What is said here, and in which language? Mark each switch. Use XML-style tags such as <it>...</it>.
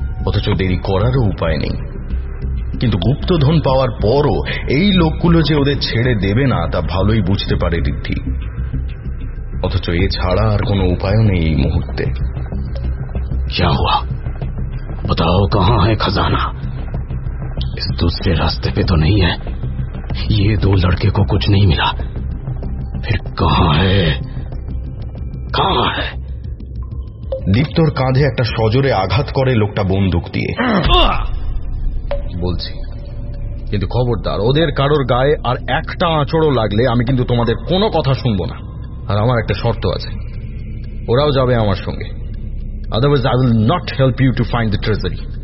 <bn>অথচ দেরি করারও উপায় নেই, কিন্তু গুপ্তধন পাওয়ার পরও এই লোকগুলো যে ওদের ছেড়ে দেবে না তা ভালোই বুঝতে পারে রিদ্ধি। অথচ এ ছাড়া আর কোনো উপায় নেই এই মুহূর্তে।</bn> <hi>যা হুয়া বতাও কহাঁ হ্যায় খজানা, ইস দুসরে রাস্তে পে তো নেই হ্যায়, ये दो लड़के को कुछ नहीं मिला, फिर कहाँ है, कहाँ है?</hi> <bn>দীপ্তর কাঁধে একটা সজোরে আঘাত করে লোকটা বন্দুক দিয়ে। বলছি, কিন্তু খবরদার, ওদের কারোর গায়ে আর একটা আঁচড়ও লাগলে আমি কিন্তু তোমাদের কোনো কথা শুনব না। আর আমার একটা শর্ত আছে, ওরাও যাবে আমার সঙ্গে।</bn> <en>Otherwise I will not help you to find the treasury.</en>